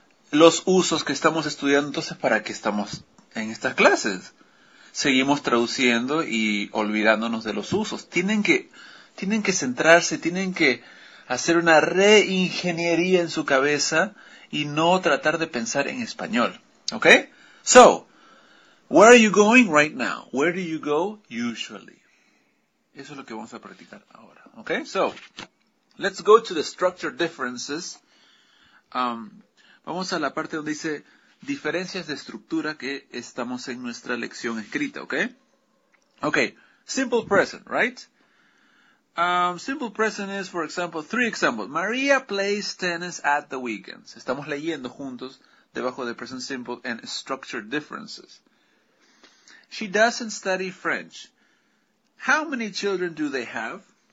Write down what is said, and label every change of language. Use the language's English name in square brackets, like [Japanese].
[Spanish] los usos que estamos estudiando, entonces, ¿para qué estamos en estas clases? Seguimos traduciendo y olvidándonos de los usos. Tienen que centrarse, tienen que hacer una reingeniería en su cabeza y no tratar de pensar en español. ¿Ok? [English] So, where are you going right now? Where do you go usually? [Spanish] Eso es lo que vamos a practicar ahora. ¿Ok? [English] So, let's go to the structure differences. [Spanish] Vamos a la parte donde dice diferencias de estructura que estamos en nuestra lección escrita. [English] ¿Ok? Ok. Simple present, right? Simple present is, for example, three examples. Maria plays tennis at the weekends. [Spanish] Estamos leyendo juntos debajo de present simple [English] and structure differences. She doesn't study French. How many children do they have?